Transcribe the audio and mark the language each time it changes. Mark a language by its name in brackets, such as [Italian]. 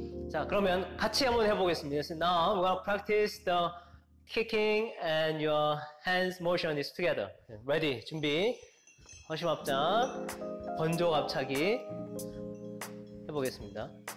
[Korean] 자, 그러면 같이 한번 해보겠습니다. [English] So now we're gonna practice the kicking and your hands motion is together. Ready? [Korean] 준비. 허심합장. 번조갑차기 해보겠습니다.